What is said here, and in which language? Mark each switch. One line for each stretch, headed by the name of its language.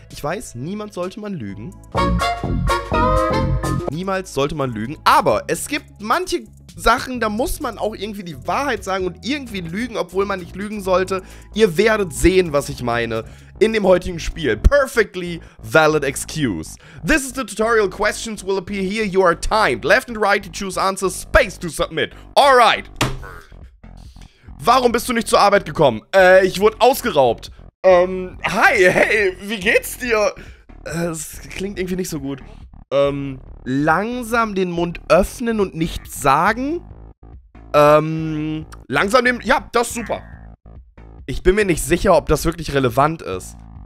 German: Ich weiß, niemand sollte man lügen. Niemals sollte man lügen, aber es gibt manche Sachen, da muss man auch irgendwie die Wahrheit sagen und irgendwie lügen, obwohl man nicht lügen sollte. Ihr werdet sehen, was ich meine in dem heutigen Spiel.
English: Perfectly valid excuse. This is the tutorial. Questions will appear here. You are timed. Left and right to choose answers. Space to submit. Alright.
German: Warum bist du nicht zur Arbeit gekommen? Ich wurde ausgeraubt. Hi, hey, wie geht's dir? Es klingt irgendwie nicht so gut. Langsam den Mund öffnen und nichts sagen. Langsam den... Ja, das ist super. Ich bin mir nicht sicher, ob das wirklich relevant ist.